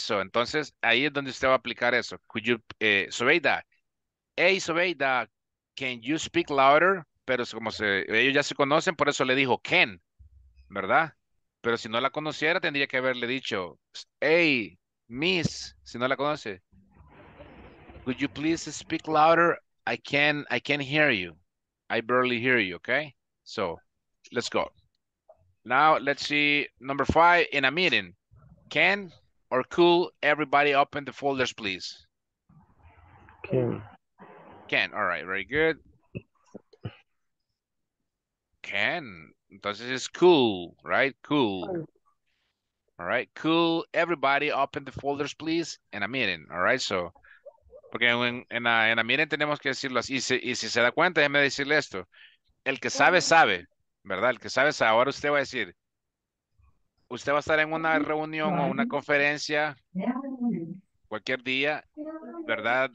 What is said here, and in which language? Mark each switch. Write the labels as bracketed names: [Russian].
[Spanish] So, entonces, ahí es donde usted va a aplicar eso. [English] Could you, Sobeida, hey, Sobeida, can you speak louder? [Spanish] Pero como ellos ya se conocen, por eso le dijo can, ¿verdad? Pero si no la conociera, tendría que haberle dicho, hey, miss, si no la conoce, [English] could you please speak louder? I can hear you. I barely hear you, okay? So, let's go. Now, let's see number five in a meeting. Can or could everybody open the folders, please? Can. All right, very good. Can. [Spanish] Entonces, [English] it's cool, right? Cool. All right, cool. Everybody open the folders, please, in a meeting. All right, so. [Spanish] Porque en la meeting tenemos que decirlo así. Y si se da cuenta, déjeme decirle esto. El que sabe, sabe, ¿verdad? El que sabe, sabe. Ahora usted va a decir, usted va a estar en una reunión o una conferencia cualquier día, ¿verdad?